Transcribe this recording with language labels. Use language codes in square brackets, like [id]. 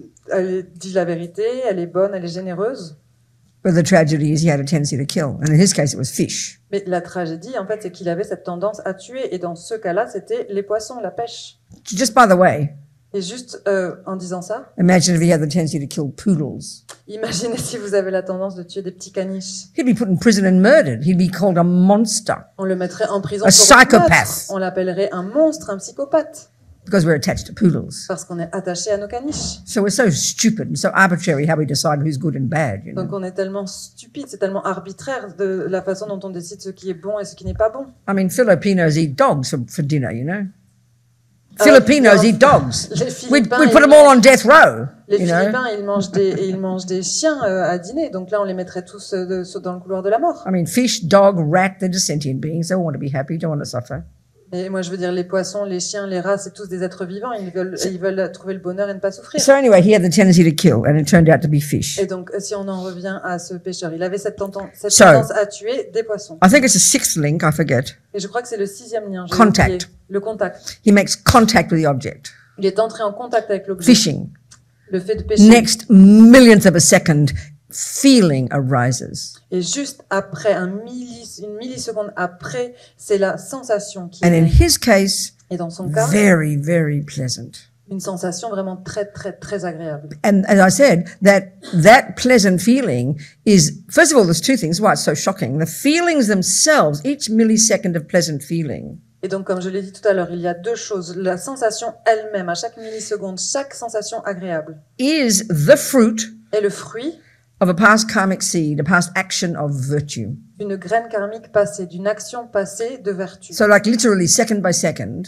[fr] Elle dit la vérité, elle est bonne, elle est généreuse. [en] But the tragedy is he had a tendency to kill. And in his case, it was fish. [fr] Mais la tragédie, en fait, c'est qu'il avait cette tendance à tuer. Et dans ce cas-là, c'était les poissons, la pêche. [en] Just by the way. [fr] Et juste en disant ça. [en] Imagine if he had the tendency to kill poodles. [fr] Imaginez si vous avez la tendance de tuer des petits caniches. [en] He'd be put in prison and murdered. He'd be called a monster. [fr] On le mettrait en prison [en] a [fr] pour [en] psychopath. [fr] On l'appellerait un monstre, un psychopathe. [en] Because we're attached to poodles. [fr] Parce qu'on est attaché à nos caniches. [en] So we're so stupid and so arbitrary how we decide who's good and bad, you know. [fr] Donc on est tellement stupide, c'est tellement arbitraire de la façon dont on décide ce qui est bon et ce qui n'est pas bon. [en] I mean, Filipinos eat dogs for dinner, you know. Filipinos eat dogs. We put them all on death row. [fr] Les Philippins, ils mangent des chiens à dîner. Donc là, on les mettrait tous dans le couloir de la mort. [en] I mean, fish, dog, rat, they're just sentient beings. They want to be happy. Don't want to suffer. [fr] Et moi, je veux dire, les poissons, les chiens, les rats, c'est tous des êtres vivants. Ils veulent trouver le bonheur et ne pas souffrir. [en] So anyway, he had the tendency to kill, and it turned out to be fish. [fr] Et donc, si on en revient à ce pêcheur, il avait cette tendance à tuer des poissons. [en] I think it's a sixth link. I forget. [fr] Et je crois que c'est le sixième lien. [en] Contact. [fr] Le contact. [en] He makes contact with the object. [fr] Il est entré en contact avec l'objet. [en] Fishing. [fr] Le fait de pêcher. [en] Next millionth of a second, feeling arises. [fr] Et juste après une milliseconde après, c'est la sensation qui. [en] And in his case, [fr] et dans son cas, [en] very very pleasant. [fr] Une sensation vraiment très très très agréable. [en] And as I said, that pleasant feeling is, first of all, there's two things. Why it's so shocking? The feelings themselves, each millisecond of pleasant feeling. [fr] Et donc, comme je l'ai dit tout à l'heure, il y a deux choses. La sensation elle-même, à chaque milliseconde, chaque sensation agréable, [en] is the fruit [fr] est le fruit [en] of a past karmic seed, a past action of virtue. [fr] Une graine karmique passée, d'une action passée de vertu. [en] So like literally, second by second,